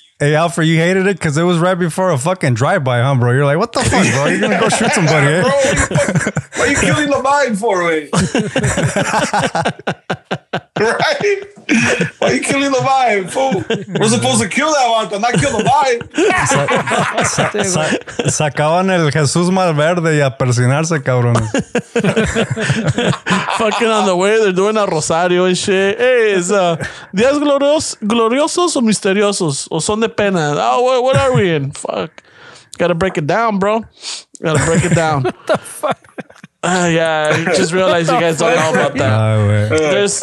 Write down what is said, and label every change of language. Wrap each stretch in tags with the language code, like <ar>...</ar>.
<en>Hey, Alfred, you hated it because it was right before a fucking drive-by, huh, bro? You're like, what the fuck, bro? You're going to go shoot somebody, eh? Bro, what are you killing the vibe for, wait? Right? Why are you killing the vibe, fool? We're supposed to kill that one, but not kill the vibe.</en> <es>Sacaban el Jesús Malverde y a persinarse, cabrón.</es> <en>Fucking on the way, they're doing a rosario and shit.</en> <es>Hey, it's días gloriosos o misteriosos? O son de pena?</es> <en>Oh, what are we in? Fuck. Gotta break it down, bro. Gotta break it down. What the fuck? Yeah, I just realized you guys don't know about that.</en>